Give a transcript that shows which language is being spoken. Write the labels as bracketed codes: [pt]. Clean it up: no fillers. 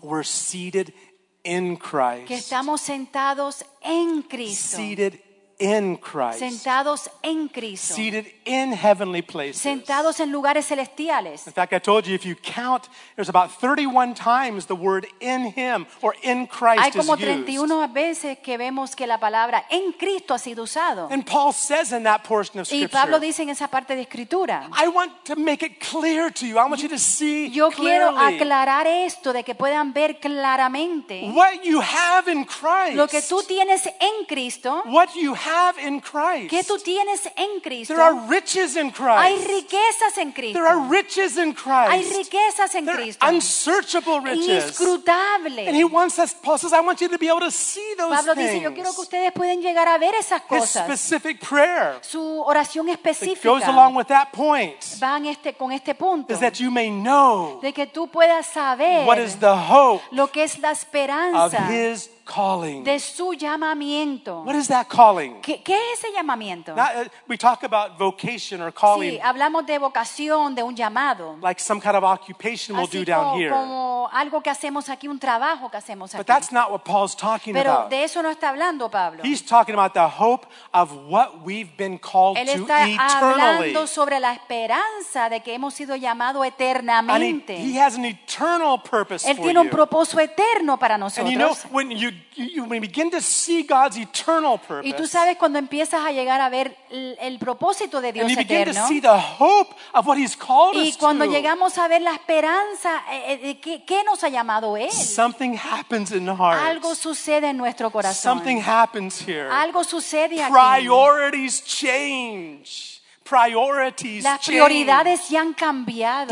[en] We're seated in Christ. [es] Que estamos sentados en Cristo. [en] Seated in Christ. [es] Sentados en Cristo. [en] Seated in heavenly places. [es] Sentados en lugares celestiales. [en] In fact, I told you if you count, there's about 31 times the word in Him or in Christ used. [es] Hay como 31 veces que vemos que la palabra en Cristo ha sido usado. [en] And Paul says in that portion of Scripture. [es] Y Pablo dice en esa parte de Escritura. [en] I want to make it clear to you. I want you to see clearly. [es] Yo quiero aclarar esto de que puedan ver claramente. [en] What you have in Christ. [es] Lo que tú tienes en Cristo. [en] What you have in Christ. [es] ¿Qué tú tienes en Cristo? [en] There are riches in Christ. [es] Hay riquezas en Cristo. [en] There are riches in Christ. [es] Hay riquezas en [en] They're [es] Cristo. [en] Unsearchable riches. [es] Inescrutable. [en] And he wants us, Paul says, I want you to be able to see those [es] Pablo [en] things. [es] Dice, yo quiero que ustedes puedan llegar a ver esas cosas. [en] His specific prayer. [es] Su oración específica. [en] It goes along with that point. [es] Van este, con este punto. [en] Is that you may know. [es] De que tú puedas saber. [en] What is the hope. [es] Lo que es la esperanza. [en] Of his calling. [es] De su llamamiento. [en] What is that calling? [es] ¿Qué es ese llamamiento? [en] We talk about vocation or calling. [es] Sí, hablamos de vocación, de un llamado. [en] Like some kind of occupation we'll [es] así [en] do down here. [es] Como algo que hacemos aquí, un trabajo que hacemos aquí. [en] But that's not what Paul's talking [es] pero [en] about. [es] Pero de eso no está hablando Pablo. [en] He's talking about the hope of what we've been called [es] él está [en] to eternally. [es] Hablando sobre la esperanza de que hemos sido llamados eternamente. [en] He has an eternal purpose [es] él [en] for [es] tiene [en] you. [es] Un propósito eterno para nosotros. [en] And you know, when you when you begin to see God's eternal purpose. [es] Y tú sabes cuando empiezas a llegar a ver el propósito de Dios [en] and you [es] eterno. [en] Begin to see the hope of what he's called [es] y [en] us [es] cuando [en] to, [es] llegamos a ver la esperanza de qué nos ha llamado él. [en] Something happens in the heart. [es] Algo sucede en nuestro corazón. [en] Something happens here. [es] Algo sucede aquí. [en] Priorities change. Priorities [es] las prioridades ya han cambiado.